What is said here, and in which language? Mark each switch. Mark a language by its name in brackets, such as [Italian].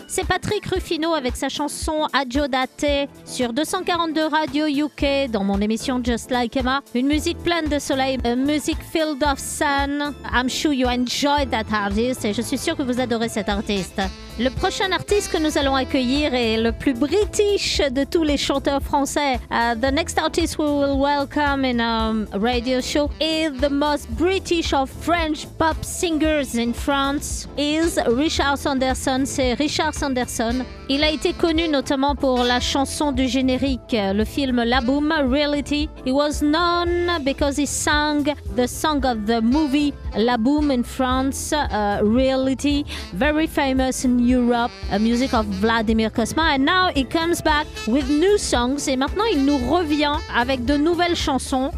[French] C'est Patrick Ruffino avec sa chanson Adje Date sur 242 Radio UK dans mon émission Just Like Emma. Une musique pleine de soleil, [English] a music filled of sun. I'm sure you enjoy that artist [French] et je suis sûre que vous adorez cet artiste. Le prochain artiste que nous allons accueillir est le plus british de tous les chanteurs français. [English] The next artist we will welcome in our radio show is the most British of French pop singers in France, is Richard Sanderson. [French] C'est Richard Sanderson. Il a été connu notamment pour la chanson du générique, le film La Boom, Reality. [English] He was known because he sang the song of the movie La Boom in France, Reality, very famous in Europe, a music of Vladimir Cosma. And now he comes back with new songs. [French] Et maintenant, il nous revient avec de nouvelles chansons.